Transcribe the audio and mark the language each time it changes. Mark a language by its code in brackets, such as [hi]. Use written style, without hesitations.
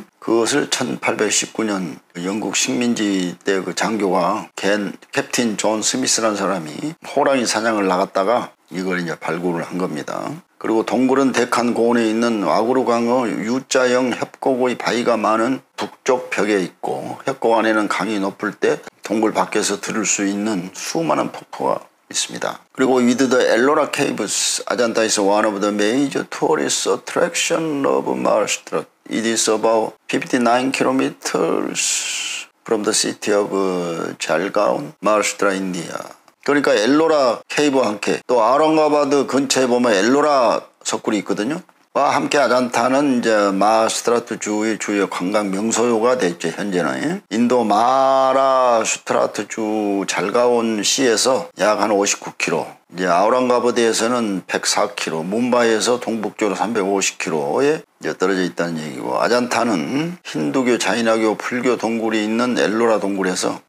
[ko] 그것을 1819년 영국 식민지 때 그 장교가 캡틴 존 스미스라는 사람이 호랑이 사냥을 나갔다가 이걸 이제 발굴을 한 겁니다. 그리고 동굴은 데칸 고원에 있는 와구르강의 U자형 협곡의 바위가 많은 북쪽 벽에 있고 협곡 안에는 강이 높을 때 동굴 밖에서 들을 수 있는 수많은 폭포가 있습니다. 그리고 [en] with the Ellora Caves, Ajanta is one of the major tourist attractions of Maharashtra. It is about 59 kilometers from the city of Jalgaon, Maharashtra, India. [ko] 그러니까 엘로라 케이브와 함께 또 아우랑가바드 근처에 보면 엘로라 석굴이 있거든요. 와 함께 아잔타는 이제 마하슈트라트 주의 주요 관광 명소가 됐죠. 현재는 인도 마하슈트라트 주 잘가온 시에서 약 한 59km 이제 아우랑가바드에서는 104km 뭄바이에서 동북쪽으로 350km에 이제 떨어져 있다는 얘기고 아잔타는 힌두교 자이나교 불교 동굴이 있는 엘로라 동굴에서